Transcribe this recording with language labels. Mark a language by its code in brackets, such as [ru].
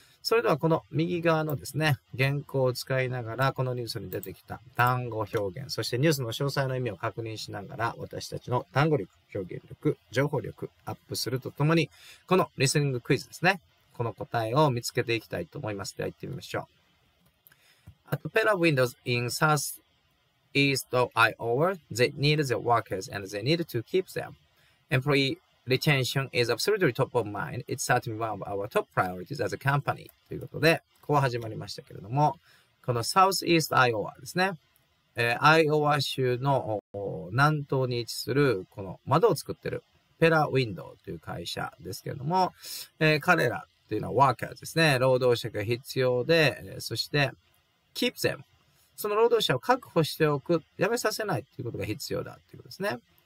[ja] それではこの右側のですね、原稿を使いながら、このニュースに出てきた単語表現、そしてニュースの詳細の意味を確認しながら、私たちの単語力、表現力、情報力アップするとともに、このリスニングクイズですね、この答えを見つけていきたいと思います。では行ってみましょう。 [en] A pair of windows in southeast of Iowa, they need the workers and they need to keep them. Employee retention is absolutely top of mind. It's certainly one of our top priorities as a company. [ja] ということで、こう始まりましたけれども、この [en] southeast Iowa [ja] ですね、Iowa 州の南東に位置するこの窓を作ってるペラウィンドウという会社ですけれども、彼らというのはワーカーですね、労働者が必要で、そして [en] keep them、 [ja] その労働者を確保しておく、辞めさせないということが必要だということですね。